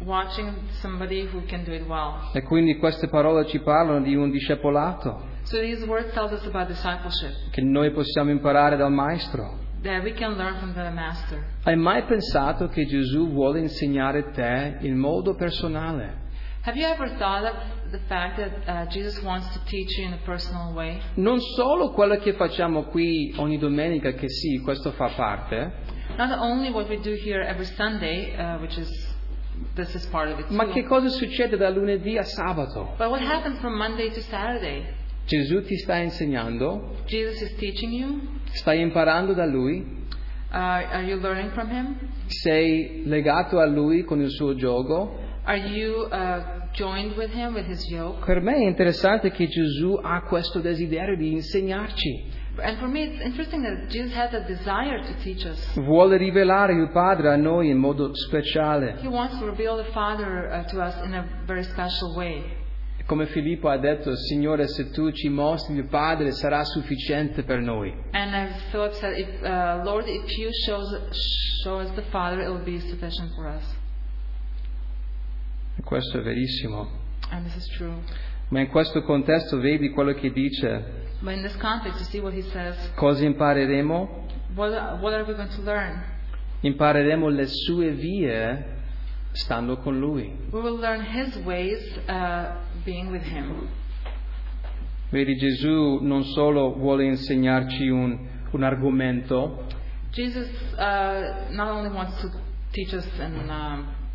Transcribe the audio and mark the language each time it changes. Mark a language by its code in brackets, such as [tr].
[en] Watching somebody who can do it well. [it] E quindi queste parole ci parlano di un discepolato. [en] So these words tell us about discipleship. [it] Che noi possiamo imparare dal maestro. [en] That we can learn from the master. [it] Hai mai pensato che Gesù vuole insegnare te in modo personale? [en] Have you ever thought of the fact that Jesus wants to teach you in a personal way? [it] Non solo quello che facciamo qui ogni domenica, che sì, questo fa parte. [en] Not only what we do here every Sunday, which is this is part of it. [it] Ma che cosa succede da lunedì a sabato? [en] But what happens from Monday to Saturday? [it] Gesù ti sta insegnando. [en] Jesus is teaching you. [it] Stai imparando da lui. [en] Are you learning from him? [it] Sei legato a lui con il suo giogo. [en] Are you joined with him with his yoke? [it] Per me è interessante che Gesù ha questo desiderio di insegnarci. [en] And for me it's interesting that Jesus has a desire to teach us. [it] Vuole rivelare il Padre a noi in modo speciale. [en] He wants to reveal the Father to us in a very special way. [it] Come Filippo ha detto, Signore, se tu ci mostri il Padre sarà sufficiente per noi. [en] And as Philip said, Lord, if you show us the Father, it will be sufficient for us. [it] Questo è verissimo. [en] And this is true. [it] Ma in questo contesto vedi quello che dice. [en] But in this context, you see what he says. [it] Cosa impareremo? [en] What are we going to learn? [it] Impareremo le sue vie stando con lui. [en] We will learn his ways being with him. [it] Vedi, Gesù non solo vuole insegnarci un argomento. [en] Jesus not only wants to teach us an